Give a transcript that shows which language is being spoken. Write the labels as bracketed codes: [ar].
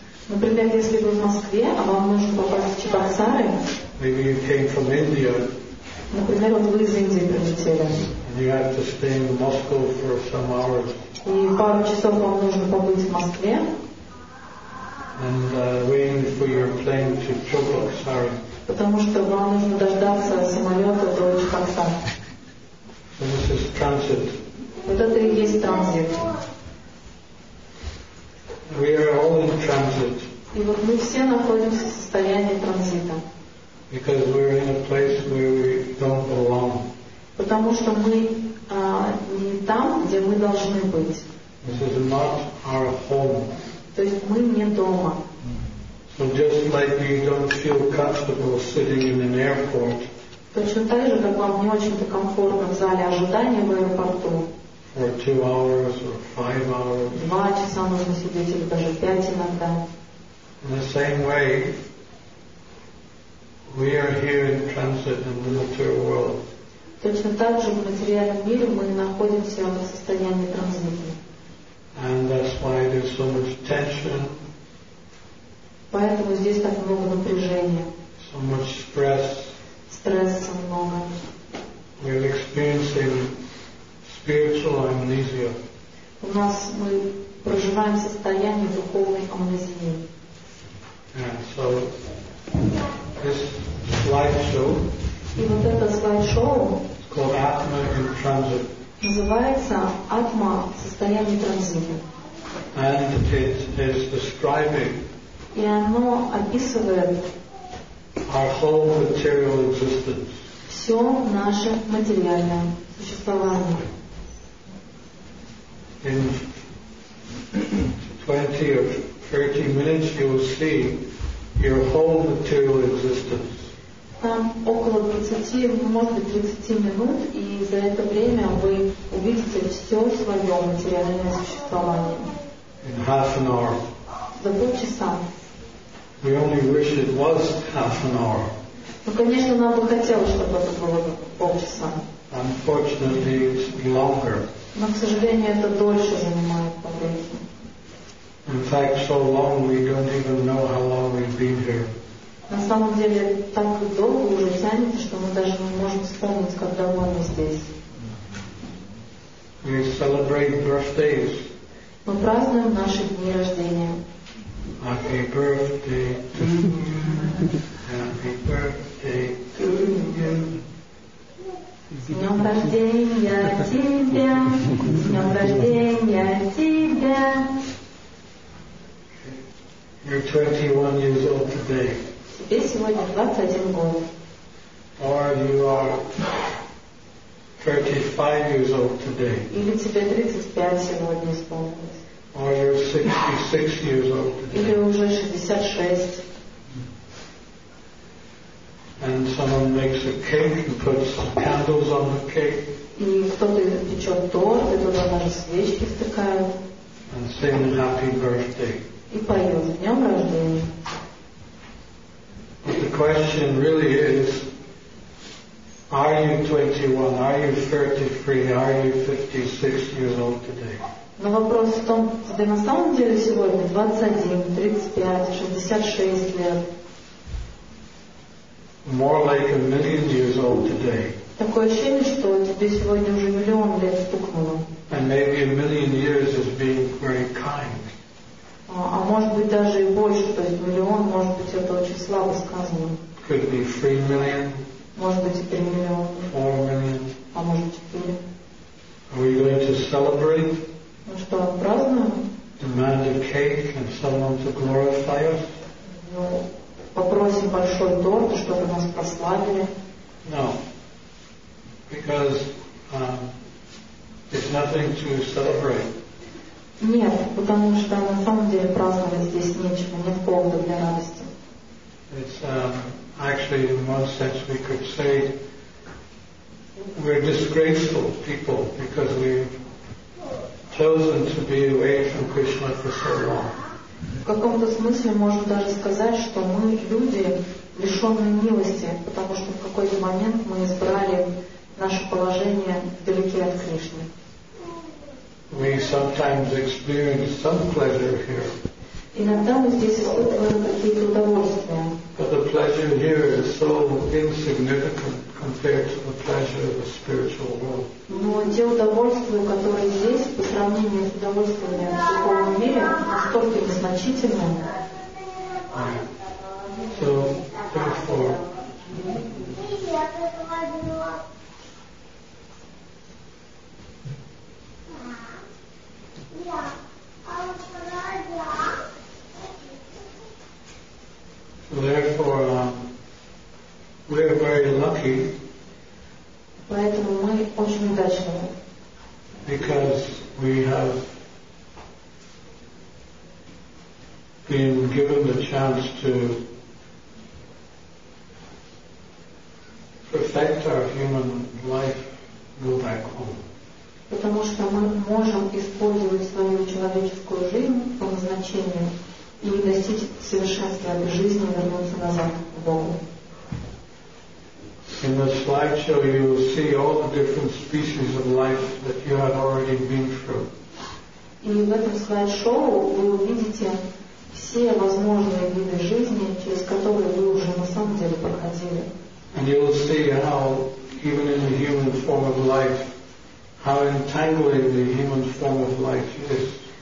[ru] Например, если вы в Москве, а вам нужно попасть в Чебоксары. [en] Maybe you came from India. [ru] Например, вы из Индии прилетели. [en] And you have to stay in Moscow for some hours. [ru] И пару часов вам нужно побыть в Москве. [en] And waiting for your plane to Chuvashari. [ru] Потому что вам нужно дождаться самолета до Чебоксар. [en] So this is transit. [ru] Вот это и есть транзит. [en] We are all in transit. [ru] И вот мы все находимся в состоянии транзита. [en] Because we are in a place where we don't belong. [ru] Потому что мы не там, где мы должны быть. [en] This is not our home. [ru] То есть мы не дома. [en] So just like you don't feel comfortable sitting in an airport. [ru] Точно так же, как вам не очень-то комфортно в зале ожидания в аэропорту. [en] For 2 hours or 5 hours. [ru] 2 часа можно сидеть или даже 5 иногда. [en] In the same way, we are here in transit in the material world. [ru] Точно так же в материальном мире мы находимся в состоянии транзита. [en] And that's why there's so much tension. [ru] Поэтому здесь так много напряжения. [en] So much stress. [ru] Стресса много. [en] We are experiencing spiritual amnesia. [ru] У нас мы проживаем состояние духовной амнезии. [en] And so this slideshow. [ru] И вот это слайд-шоу. [en] It's called Atma in Transit. [ru] Называется Атма в состоянии транзита. [en] And it is describing. [ru] И оно описывает. [en] Our whole material existence. [ru] Все наше материальное существование. [en] In 20 or 30 minutes you will see your whole material existence. [ru] Там около 30, может быть 30 минут, и за это время вы увидите все свое материальное существование. [en] In half an hour. [ru] За полчаса. [en] We only wish it was half an hour. [ru] Ну, конечно, нам бы хотелось, чтобы это было полчаса. [en] Unfortunately, it's longer. [ru] Но, к сожалению, это дольше занимает по времени. [en] In fact, so long we don't even know how long we've been here. [ru] На самом деле, так долго уже тянется, что мы даже не можем вспомнить, как давно мы здесь. [en] We celebrate birthdays. [ru] Мы празднуем наши дни рождения. [en] Happy birthday to you. Happy birthday to you. [ru] С днем рождения тебя. С днем рождения тебя. [en] You're 21 years old today. [ru] Тебе сегодня 21 год. [en] Or you are 35 years old today. [ru] Или тебе 35 сегодня исполнилось. [en] Or you're 66 years old today. [ru] Или уже 66. [en] And someone makes a cake and puts candles on the cake. [ru] И кто-то печет торт, и туда даже свечки втыкают. [en] And sing happy birthday. [ru] И поет с днем рождения. [en] But the question really is, are you 21, are you 33, are you 56 years old today? [ru] Но вопрос в том, тебе на самом деле сегодня 21, 35, 66 лет. [en] More like a million years old today. [ru] Такое ощущение, что тебе сегодня уже миллион лет стукнуло. [en] And maybe a million years is being very kind. [ru] А может быть даже и больше, то есть миллион, может быть это очень слабо сказано. [en] Could be 3 million. [ru] Может быть и 3 миллиона. [en] 4 million. [ru] А может и 4. [en] Are we going to celebrate? [ru] Ну что, празднуем? [en] Demand a cake and someone to glorify us? [ru] Ну, попросим большой торт, чтобы нас прославили. [en] No. Because it's nothing to celebrate. [ru] Нет, потому что на самом деле праздновать здесь нечего, нет повода для радости. [en] It's actually in one sense we could say we're disgraceful people because we've chosen to be away from Krishna for so long. [ru] В каком-то смысле можно даже сказать, что мы люди лишенные милости, потому что в какой-то момент мы избрали наше положение вдалеке от Кришны. [en] We sometimes experience some pleasure here. [ru] Иногда мы здесь испытываем какие-то удовольствия. [en] But the pleasure here is so insignificant compared to the pleasure of the spiritual world. [ru] Но те удовольствия, которые здесь, по сравнению с удовольствиями в духовном мире, настолько незначительны. [en] So, therefore, we are very lucky. [ru] Поэтому мы очень удачливы. [en] Because we have been given the chance to perfect our human life, go back home. [ru] Потому что мы можем использовать свою человеческую жизнь по назначению и достичь совершенства в жизни и вернуться назад к Богу. [en] In the slideshow you will see all the different species of life that you have already been through. [ru] И в этом слайд-шоу вы увидите все возможные виды жизни, через которые вы уже на самом деле проходили. [en] And you will see how, even in the human form of life, how entangling the human form of life is.